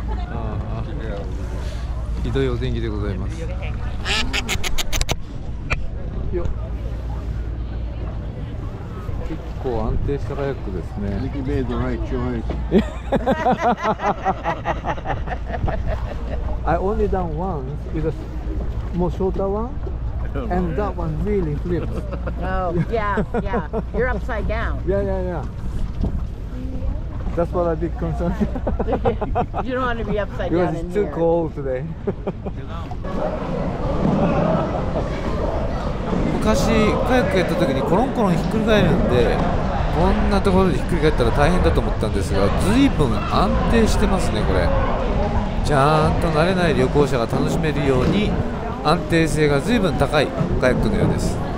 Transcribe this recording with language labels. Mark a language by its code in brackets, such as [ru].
[ja] あー、ひどいお天気でございます。よ、結構安定したカヤックですね。リキベイドライチョイス。 [en] I only done once with a more shorter oneAnd that one really flips. Oh, yeah, yeah. You're upside down. Yeah, yeah, yeah. That's what I did concern. You don't want to be upside down in there. It's too cold today. [ja] 昔カヤックやった時にコロンコロンひっくり返るんで、こんなところでひっくり返ったら大変だと思ったんですが、ずいぶん安定してますね、これ。ちゃんと慣れない旅行者が楽しめるように安定性が随分高いカヤックのようです。